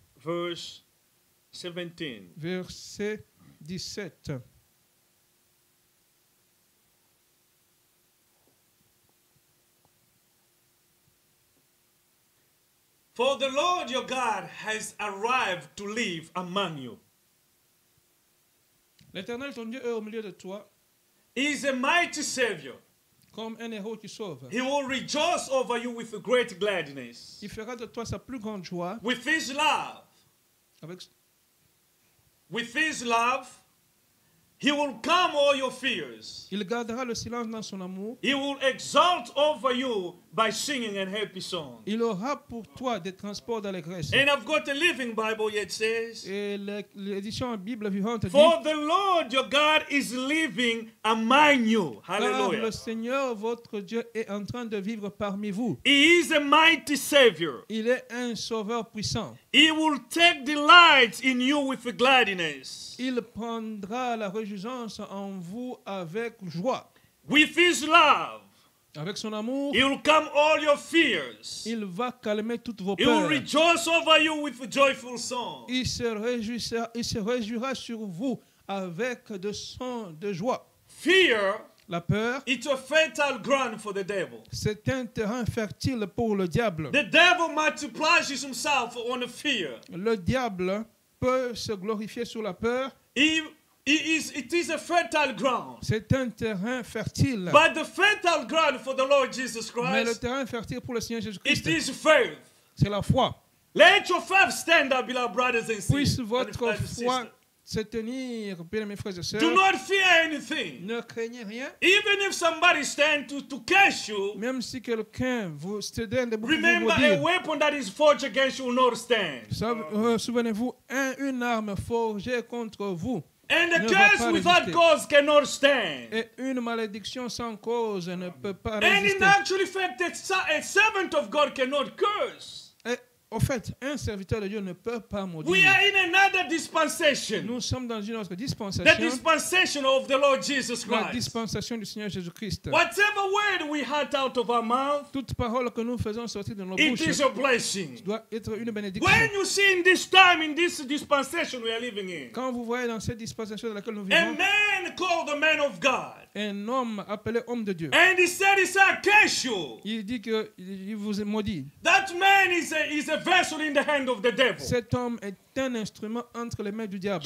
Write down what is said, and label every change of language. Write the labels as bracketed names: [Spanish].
[French] verset 17. [English] For the Lord your God has arrived to live among you. [French] L'Éternel ton Dieu est au milieu de toi. [English] He is a mighty Savior. [French] Comme un héros qui sauve. [English] He will rejoice over you with great gladness. [French] Il fera de toi sa plus grande joie. [English] With his love. [French] Avec. [English] With his love. He will calm all your fears. [French] Il gardera le silence dans son amour. [English] He will exult over you by singing a happy song. [French] Il aura pour toi des transports d'allégresse. [English] And I've got a living Bible yet says. [French] Et l'édition Bible vivante dit. [English] For the Lord your God is living among you. Hallelujah. [French] Car le Seigneur votre Dieu est en train de vivre parmi vous. [English] He is a mighty Savior. [French] Il est un sauveur puissant. [English] He will take delight in you with gladness. [French] Il prendra la réjouissance en vous avec joie. [English] With his love. [French] Avec son amour, [English] he will calm all your fears. [French] Il va calmer toutes vos peurs. [English] He will rejoice over you with a joyful song. [French] Il se réjouira sur vous avec des sons de joie. [English] Fear [French] La peur, [English] it's a fertile ground for the devil. [French] C'est un terrain fertile pour le diable. [English] The devil multiplies himself on fear. [French] Le diable peut se glorifier sur la peur. [English] It is a fertile ground. [French] C'est un terrain fertile. [English] But the fertile ground for the Lord Jesus Christ. [French] Mais le terrain fertile pour le Seigneur Jésus Christ. [English] It is faith. [French] C'est la foi. [English] Let your faith stand up, beloved brothers and sisters. [French] Puisse votre foi se tenir, bien mes frères et sœurs. [English] Do not fear anything. [French] Ne craignez rien. [English] Even if somebody stands to catch you. [French] Même si quelqu'un vous tient de vous. [English] Remember, a weapon that is forged against you will not stand. [French] Souvenez-vous, une arme forgée contre vous. [English] And a curse without cause cannot stand. [French] Et une malédiction sans cause ne peut pas résister. [English] And in actual fact, a servant of God cannot curse. [French] Au fait, un serviteur de Dieu ne peut pas maudire. [English] We are in another dispensation. [French] Nous sommes dans une autre dispensation. [English] The dispensation of the Lord Jesus Christ. [French] La dispensation du Seigneur Jésus Christ. [English] Whatever word we heart out of our mouth, [French] toute parole que nous faisons sortir de nos [English] bouches, it is a blessing. [French] Doit être une bénédiction. [English] When you see in this time, in this dispensation we are living in, [French] quand vous voyez dans cette dispensation dans laquelle nous vivons, [English] a man called the man of God, [French] un homme appelé homme de Dieu, [English] and he said he said, "Curse you." [French] Il dit que il vous maudit. [English] That man is a vessel in the hand of the devil. [French] Cet homme est un instrument entre les mains du diable.